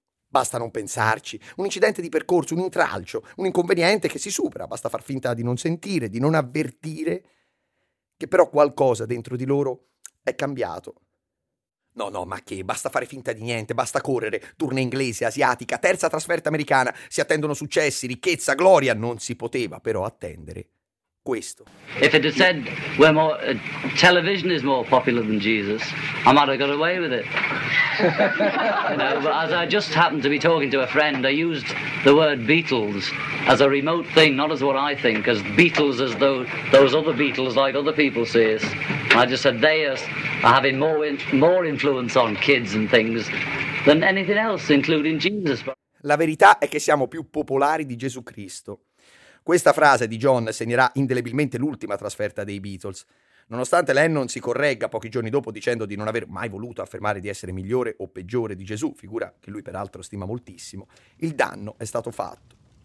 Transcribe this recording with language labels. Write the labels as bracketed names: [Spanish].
[Italian] Basta non pensarci, un incidente di percorso, un intralcio, un inconveniente che si supera, basta far finta di non sentire, di non avvertire, che però qualcosa dentro di loro è cambiato. No, no, ma che? Basta fare finta di niente, basta correre, tournée inglese, asiatica, terza trasferta americana, si attendono successi, ricchezza, gloria, non si poteva però attendere questo. [English] If it had said we're more, television is more popular than Jesus, I might have got away with it. You know, but as I just happened to be talking to a friend, I used the word Beatles as a remote thing, not as what I think, as Beatles as though those other Beatles like other people see us. And I just said they are having more influence on kids and things than anything else, including Jesus. [Italian] La verità è che siamo più popolari di Gesù Cristo. Questa frase di John segnerà indelebilmente l'ultima trasferta dei Beatles. Nonostante Lennon si corregga pochi giorni dopo dicendo di non aver mai voluto affermare di essere migliore o peggiore di Gesù, figura che lui peraltro stima moltissimo, il danno è stato fatto.